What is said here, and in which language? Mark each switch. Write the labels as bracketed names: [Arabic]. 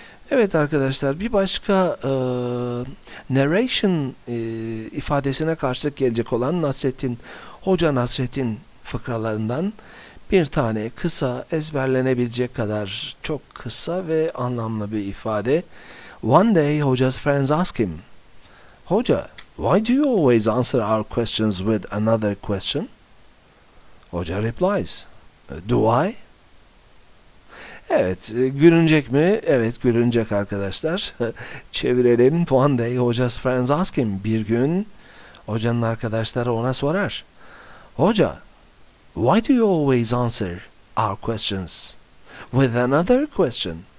[Turkish] Evet arkadaşlar, bir başka narration ifadesine karşılık gelecek olan Nasrettin, Hoca Nasrettin fıkralarından bir tane kısa, ezberlenebilecek kadar çok kısa ve anlamlı bir ifade. [English] One day, Hoca's friends ask him, Hoca, why do you always answer our questions with another question? Hoca replies, do I? [Turkish] Evet, gülünecek mi? Evet, gülünecek arkadaşlar. Çevirelim. [English] One day, Hoca's friends ask him, [Turkish] bir gün hocanın arkadaşları ona sorar. [English] Hoca, why do you always answer our questions with another question?